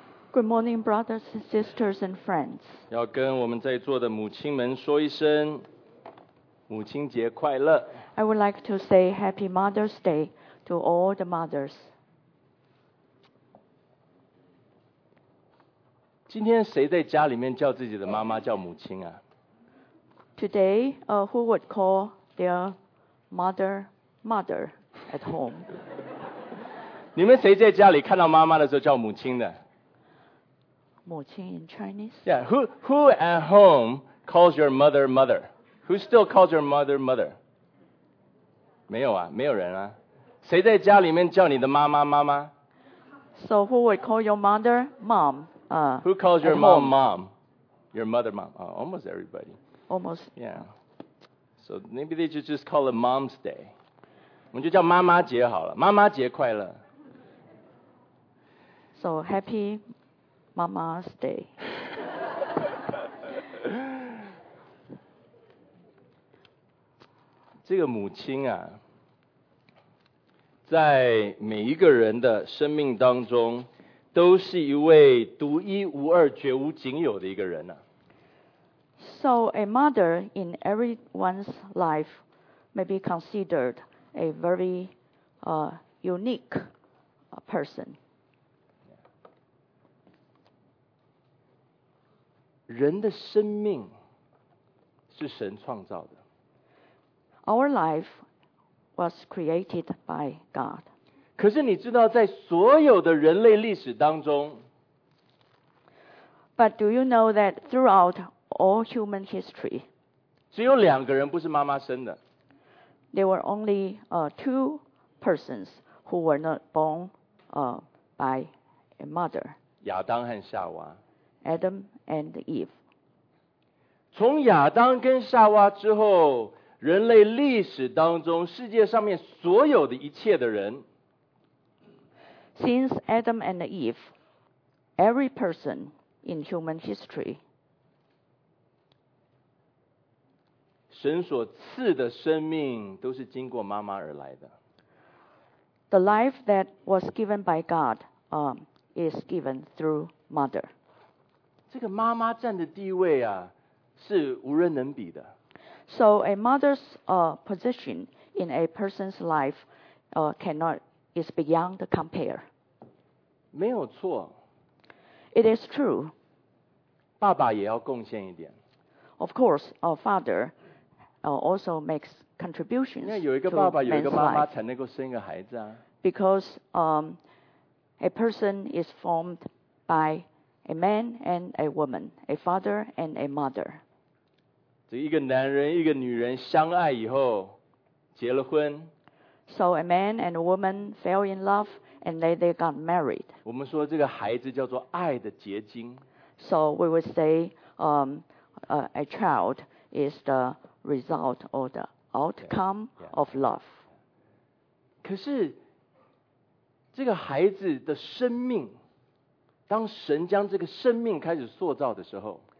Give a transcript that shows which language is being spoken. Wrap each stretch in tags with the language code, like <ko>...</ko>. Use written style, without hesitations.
<en>Good morning, brothers, sisters, and friends.</en> <zh>要跟我们在座的母亲们说一声母亲节快乐。</zh> <en>I would like to say Happy Mother's Day to all the mothers.</en> <zh>今天谁在家里面叫自己的妈妈叫母亲啊？</zh> <en>Today, who would call their mother mother at home?</en> <zh>你们谁在家里看到妈妈的时候叫母亲的？</zh> <en>母亲 in Chinese? Yeah, who at home calls your mother mother? Who still calls your mother mother?</en> <zh>没有啊，没有人啊。谁在家里面叫你的妈妈妈妈？</zh> <en>So who would call your mother mom? Who calls your mom mom? Your mother mom. Oh, almost everybody. Almost. Yeah. So maybe they should just call it Mom's Day.</en> <zh>我们就叫妈妈节好了，妈妈节快乐。</zh> <en>So happy Mama's Day.</en> <zh>这个母亲啊，在每一个人的生命当中，都是一位独一无二、绝无仅有的一个人啊。</zh> <en>So a mother in everyone's life may be considered a very unique person.</en> <zh>人的生命是神创造的。</zh> <en>Our life was created by God.</en> <zh>可是你知道，在所有的人类历史当中</zh> <en>，But do you know that throughout all human history,</en> <zh>只有两个人不是妈妈生的。</zh> <en>There were only two persons who were not born by a mother.</en> <zh>亚当和夏娃。</zh> <en>Adam and Eve.</en> <zh>从亚当跟夏娃之后，人类历史当中世界上面所有的一切的人</zh> <en>，Since Adam and Eve, every person in human history,</en> <zh>神所赐的生命都是经过妈妈而来的。</zh> <en>The life that was given by God, is given through mother.</en> <zh>这个妈妈站的地位啊，是无人能比的。</zh> <en>So a mother's position in a person's life is beyond compare.</en> <zh>没有错。</zh> <en>It is true.</en> <zh>爸爸也要贡献一点。</zh> <en>Of course, a father also makes contributions.</en> <zh>因为有一个爸爸，有一个妈妈才能够生一个孩子啊。</zh> <en>Because a person is formed by. A man and a woman, a father and a mother.</en> <zh>这一个男人一个女人相爱以后结了婚。</zh> <en>So a man and a woman fell in love and then they got married.</en> <zh>我们说这个孩子叫做爱的结晶。</zh> <en>So we would say a child is the result or the outcome of love.</en> <zh>可是这个孩子的生命当神将这个生命开始塑造的时候</zh>